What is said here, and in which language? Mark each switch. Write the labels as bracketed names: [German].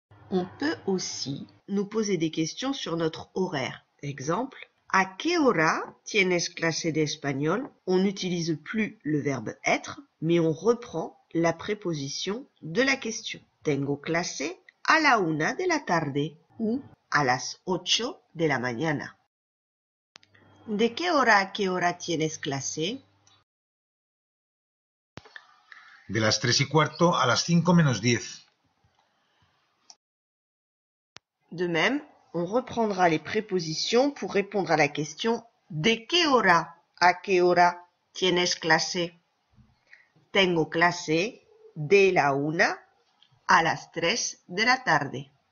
[French] On peut aussi nous poser des questions sur notre horaire. [Spanish] Exemple, ¿A qué hora tienes clase de español? [French] On n'utilise plus le verbe être, mais on reprend la préposition de la question. [Spanish] Tengo clase a la una de la tarde ou a las ocho de la mañana. ¿De qué hora tienes clase? De las 3:15 a las 5:10. [French] De même, on reprendra les prépositions pour répondre à la question [Spanish] ¿De qué hora tienes clase? Tengo clase de la una a las tres de la tarde.